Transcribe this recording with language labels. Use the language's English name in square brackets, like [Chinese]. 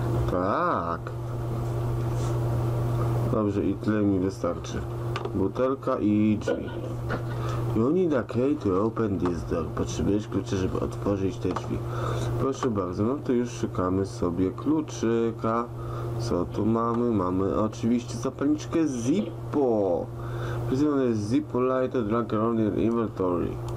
[Polish] Tak. Dobrze, i tyle mi wystarczy. Butelka i drzwi. [English] You need a key to open this door. [Polish] Potrzebujesz kluczy, żeby otworzyć te drzwi. Proszę bardzo, no to już szukamy sobie kluczyka. Co tu mamy? Mamy oczywiście zapalniczkę Zippo. Przyznam, jest [English] Zippo Lighter Drunk Around in Inventory.